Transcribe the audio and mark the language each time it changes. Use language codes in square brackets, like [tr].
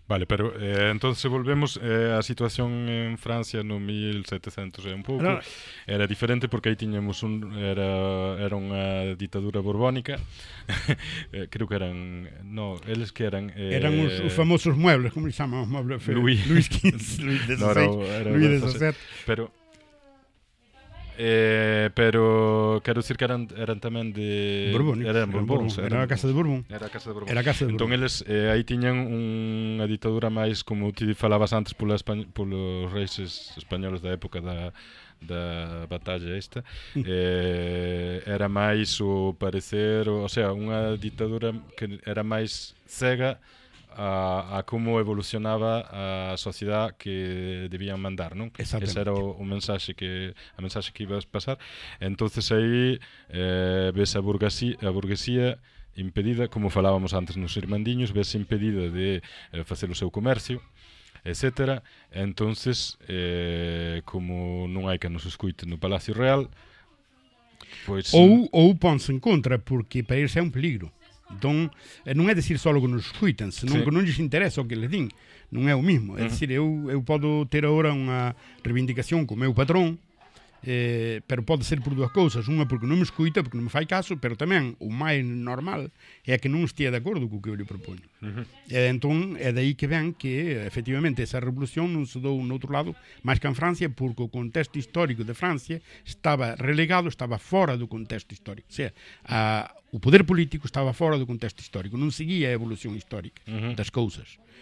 [es] Vale, pero entonces volvemos a la situación en Francia en 1700 un poco. Era diferente porque ahí teníamos era una dictadura borbónica. creo que eran... No, ellos que eran... eran los famosos muebles, ¿cómo se llaman los muebles? Luis XV, Luis XVI, no, Luis XVII. [gl] Pero quero dizer que eran tamén de Bourbons, era a casa de Bourbon. Então eles aí tiñan unha ditadura máis como ti falabas antes polos reis españoles da época da batalla esta. era máis o parecer, ou sea, unha ditadura que era máis cega a como evolucionaba a sociedade que debían mandar, non? Exactamente. Ese era a mensaxe que ibas pasar. Entonces aí ves a burguesía impedida, como falábamos antes nos irmandiños, ves impedida de facer o seu comercio, etc. Entonces, como non hai que nos escuite no Palacio Real, pois... Ou ponse en contra, porque para irse é un peligro. Então, non é dicir só que nos escuitan, senón que non lhes interesa o que lhes din, non é o mesmo. É dicir, eu podo ter agora unha reivindicación com o meu patrón, pero pode ser por duas cousas. Unha porque non me escuita, porque non me fai caso, pero tamén o máis normal é que non estea de acordo co que eu lhe proponho. [pt] Então, é daí que vem que, efectivamente, essa revolución non se dou noutro lado, mais que em França, porque o contexto histórico de França estava relegado, estava fora do contexto histórico. Ou seja, o poder político estava fora do contexto histórico, não seguia a evolução histórica das coisas.